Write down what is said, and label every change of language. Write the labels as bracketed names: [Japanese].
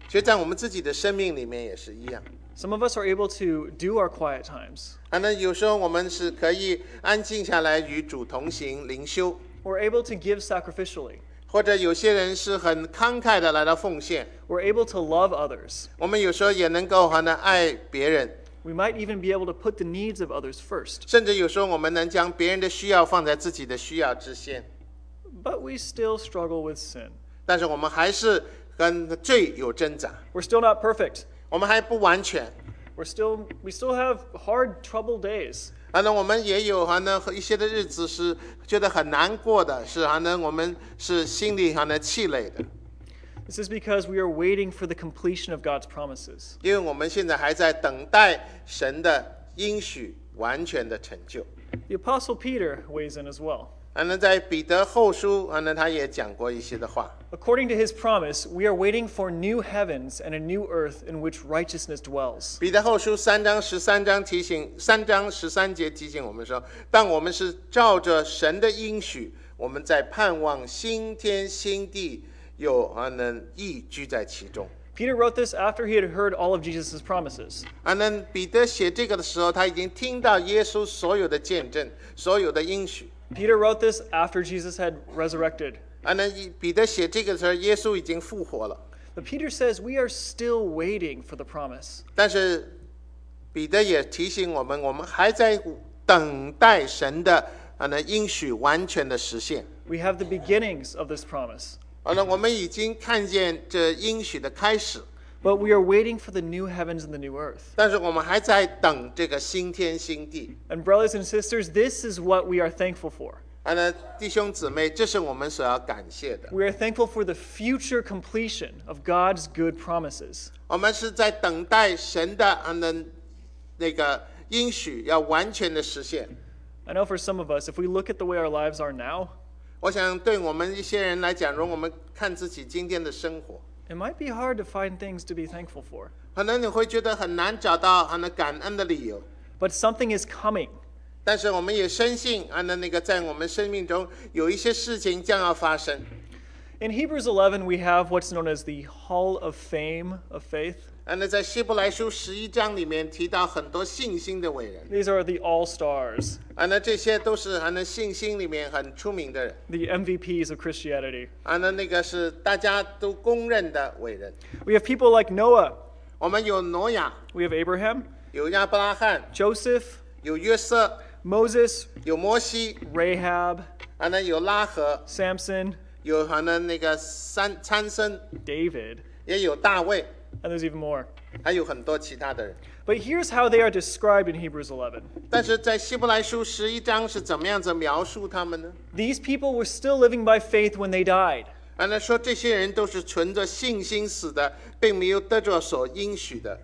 [Chinese] 其实在我们自己的生命里面也是一样。 [English] Some of us are able to do our quiet times. [Chinese] 那有时候我们是可以安静下来与主同行灵修。 [English] We're able to give sacrificially. [Chinese] 或者有些人是很慷慨的来到奉献。 [English] We're able to love others. [Chinese] 我们有时候也能够爱别人。 [English] We might even be able to put the needs of others first. [Chinese] 甚至有时候我们能将别人的需要放在自己的需要之先。 [English] But we still struggle with sin. [Chinese] 但是我们还是跟罪有挣扎。 [English] We're still not perfect. [Chinese] 我们还不完全。 [English] We still have hard, troubled days. [Chinese] 我们也有一些的日子是觉得很难过的，是我们是心里气馁的。 [English] This is because we are waiting for the completion of God's promises. [Chinese] 因为我们现在还在等待神的应许完全的成就。 [English] The Apostle Peter weighs in as well. [Chinese] 在彼得后书他也讲过一些的话。 [English] According to his promise, we are waiting for new heavens and a new earth in which righteousness dwells. [Chinese] 彼得后书三章十三节提醒我们说，但我们是照着神的应许，我们在盼望新天新地有能义居在其中。 [English] Peter wrote this after he had heard all of Jesus' promises. [Chinese] 彼得写这个的时候，他已经听到耶稣所有的见证，所有的应许。 [English] Peter wrote this after Jesus had resurrected. [Chinese] 彼得写这个时候，耶稣已经复活了。 [English] But Peter says we are still waiting for the promise. [Chinese] 但是彼得也提醒我们，我们还在等待神的应许完全的实现。 [English] We have the beginnings of this promise. [Chinese] 我们已经看见这应许的开始。 [English] But we are waiting for the new heavens and the new earth. [Chinese] 但是我们还在等这个新天新地。 [English] And brothers and sisters, this is what we are thankful for. [Chinese] 弟兄姊妹，这是我们所要感谢的。 [English] We are thankful for the future completion of God's good promises. [Chinese] 我们是在等待神的那个应许要完全的实现。 [English] I know for some of us, if we look at the way our lives are now, [Chinese] 我想对我们一些人来讲，如果我们看自己今天的生活。 [English] It might be hard to find things to be thankful for. [Chinese] 可能你会觉得很难找到感恩的理由。 [English] But something is coming. [Chinese] 但是我们也深信那个在我们生命中有一些事情将要发生。 [English] In Hebrews 11, we have what's known as the Hall of Fame of Faith. [Chinese] 在希伯来书十一章里面提到很多信心的伟人。 [English] These are the all-stars. [Chinese] 这些都是信心里面很出名的人。 [English] The MVPs of Christianity. [Chinese] 那个是大家都公认的伟人。 [English] We have people like Noah. [Chinese] 我们有挪亚。 [English] We have Abraham. [Chinese] 有亚伯拉罕。 [English] Joseph. [Chinese] 有约瑟。 [English] Moses. [Chinese] 有摩西。 [English] Rahab. [Chinese] 有拉合。 [English] Samson. [Chinese] 有那个参僧 [English] David, [Chinese] 也有大卫 [English] and there's even more. [Chinese] 还有很多其他的人。 [English] But here's how they are described in Hebrews 11. [Chinese] 但是在希伯来书十一章是怎么样子描述他们呢？ [English] These people were still living by faith when they died. [Chinese] 说这些人都是存着信心死的，并没有得着所应许的。